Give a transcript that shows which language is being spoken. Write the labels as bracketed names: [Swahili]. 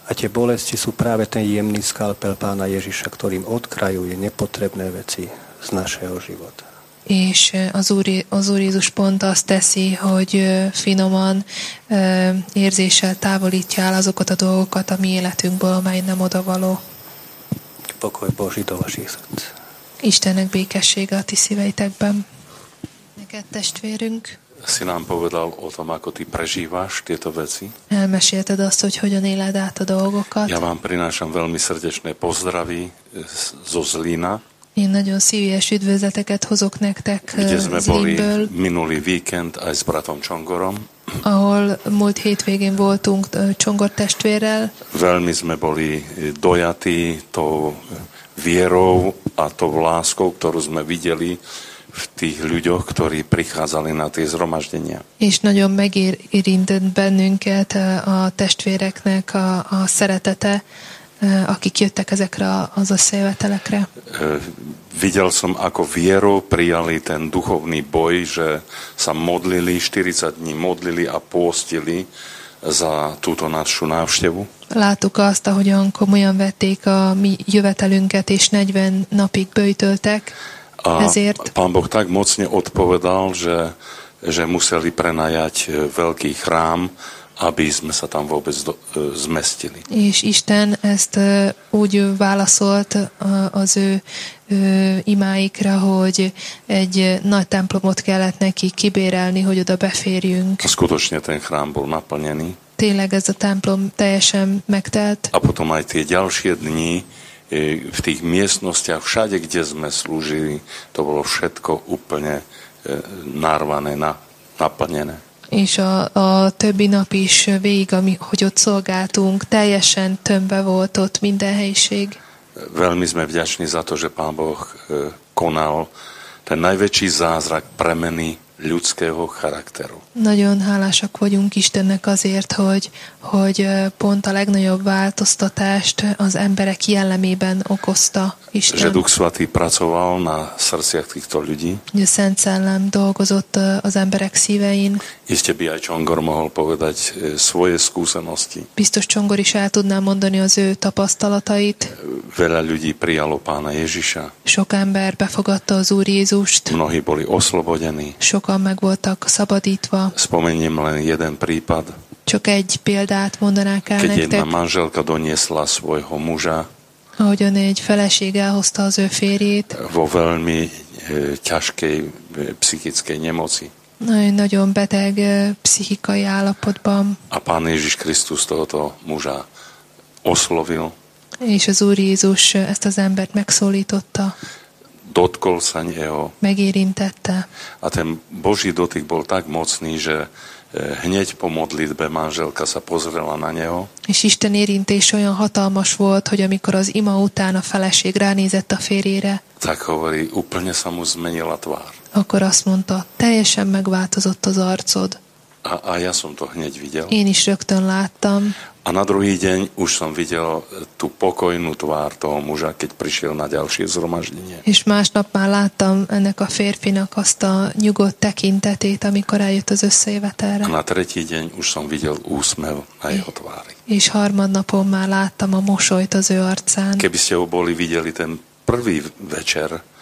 [Slovak] A tie bolesti sú práve ten jemný skalpel Pána Ježiša, ktorým odkrajuje nepotrebné veci z našeho života. [Hungarian] És az Úr Jézus pont azt teszi, hogy finoman érzéssel távolítja el azokat a dolgokat a mi életünkből, amely nem odavaló. [Slovak] Pokoj Boží do vašich srdc. [Hungarian] Istennek békessége a ti szíveitekben. Neked testvérünk. [Slovak] Si nám povedal o tom, ako ty prežíváš tieto veci. [Hungarian] Elmesélted azt, hogy hogyan éled át a dolgokat. [Slovak] Ja vám prinášam veľmi srdečné pozdravy zo Zlína. [Hungarian] Én nagyon szívies üdvözleteket hozok nektek [Slovak] Zlínből. Minulý víkend aj s bratom Csongorom. [Hungarian] Ahol múlt hétvégén voltunk Csongor testvérrel. [Slovak] Veľmi sme boli dojatí tou vierou a tou láskou, ktorú sme videli v tých ľuďoch, ktorí prichádzali na tie zhromaždenia. [Hungarian] És nagyon megérintett bennünket a testvéreknek a szeretete, akik jöttek ezekre az összejövetelekre. [Slovak] Videl som, ako vierou prijali ten duchovný boj, že sa modlili, 40 dní modlili a pôstili za túto našu návštevu. [Hungarian] Láttuk azt, ahogyan komolyan vették a mi jövetelünket, és 40 napig böjtöltek. A ezért... [Slovak] Pán Boh tak mocne odpovedal, že museli prenajať veľký chrám, aby sme sa tam vôbec zmestili. [Hungarian] És Isten ezt úgy válaszolt az ő imáikra, hogy egy nagy templomot kellett neki kibérelni, hogy oda beférjünk. [Slovak] Skutočne ten chrám bol naplnený. [Hungarian] Tényleg ez a templom teljesen megtelt. [Slovak] A potom aj tie ďalšie dni v tých miestnostiach, všade, kde sme slúžili, to bolo všetko úplne narvané, naplnené. [Hungarian] És a többi nap is végig, ami, hogy ott szolgáltunk, teljesen tömve volt ott minden helyiség. [Slovak] Veľmi sme vďační za to, že Pán Boh konal ten najväčší zázrak premeny ľudského charakteru. [Hungarian] Nagyon hálásak vagyunk Istennek azért, hogy pont a legnagyobb változtatást az emberek jellemében okozta Isten. [Slovak] Že Duch Svatý pracoval na srdciach týchto ľudí. [Hungarian] Že Szent Szellem dolgozott az emberek szívein. [Slovak] Iste by aj Csongor mohol povedať svoje skúsenosti. [Hungarian] Biztos Csongor is el tudná mondani az ő tapasztalatait. [Slovak] Veľa ľudí prijalo Pána Ježiša. [Hungarian] Sok ember befogadta az Úr Jézust. [Slovak] Mnohí boli oslobodení. [Hungarian] Sokan meg voltak szabadítva. [Slovak] Spomeniem len jeden prípad. [Hungarian] Csak egy példát mondanák el nektek. [Slovak] Keď jedna manželka doniesla svojho muža. [Hungarian] Ahogyan egy feleség elhozta az ő férjét. [Slovak] Vo veľmi ťažkej psychickej nemoci. [Hungarian] Nagyon beteg pszichikai állapotban. [Slovak] A Pán Ježiš Krisztus tohoto muža oslovil. [Hungarian] És az Úr Jézus ezt az embert megszólította. [Slovak] Dotkol sa neho. [Hungarian] Megérintette. [Slovak] A ten Boží dotyk bol tak mocný, že hneď po modlitbe manželka sa pozrela na neho. [Hungarian] És Isten érintés olyan hatalmas volt, hogy amikor az ima után a feleség ránézett a férjére, [Slovak] tak hovorí, úplne sa mu zmenila tvár. [Hungarian] Akkor azt mondta, teljesen megváltozott az arcod. [Slovak] A ja som to hneď videl. [Hungarian] Én is rögtön láttam. [Slovak] A na druhý deň už som videl tú pokojnú tvár toho muža, keď prišiel na ďalšie zhromaždenie. [Hungarian] És másnap már láttam ennek a férfinak azt a nyugodt tekintetét, amikor eljött az összejövetelre. [Slovak] A na tretí deň už som videl úsmev na jeho tvári. [Hungarian] És harmadnapon már láttam a mosolyt az ő arcán. [Slovak] Keby ste ho boli videli ten prvý večer,